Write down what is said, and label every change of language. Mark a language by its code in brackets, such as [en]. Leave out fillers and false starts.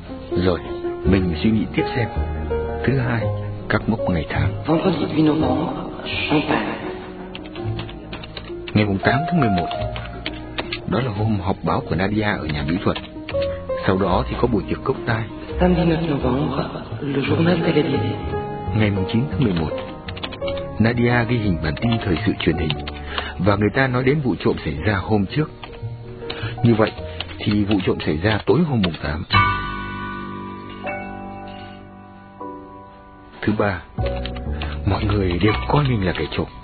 [vi] Rồi, mình suy nghĩ tiếp xem. Thứ hai, các mốc ngày tháng. [fr] Vendredi 8 novembre, Champagne. [vi] Ngày 8 tháng 11, đó là hôm họp báo của Nadia ở nhà mỹ thuật. Sau đó thì có buổi tiệc cốc tai. [fr] Samedi 9 novembre, le journal télévisé. [vi] Ngày 9 tháng 11, Nadia ghi hình bản tin thời sự truyền hình. Và người ta nói đến vụ trộm xảy ra hôm trước. Như vậy thì vụ trộm xảy ra tối hôm 8. Thứ ba, mọi người đều coi mình là kẻ trộm.